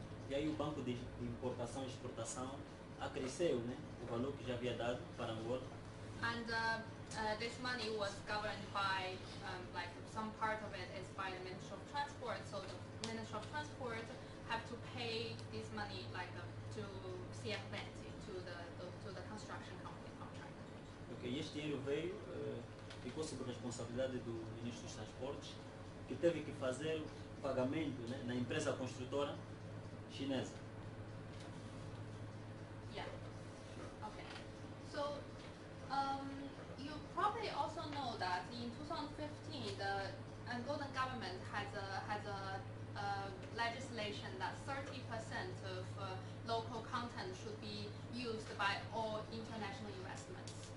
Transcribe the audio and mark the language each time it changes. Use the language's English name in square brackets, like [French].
[Portuguese] E aí o banco de importação e exportação acresceu, né, o valor que já havia dado para Angola. [English] And this money was governed by some part of it is by the Ministry of Transport, so the Ministry of Transport have to pay this money to CF Bank, to the construction company contract. [Portuguese] Okay, este dinheiro veio ficou sob a responsabilidade do Ministro dos Transportes, que teve que fazer o pagamento, né, na empresa construtora chinesa. [English] Yeah. Okay. So, you probably also know that in 2015, the Angolan government has a legislation that 30% of local content should be used by all international investments.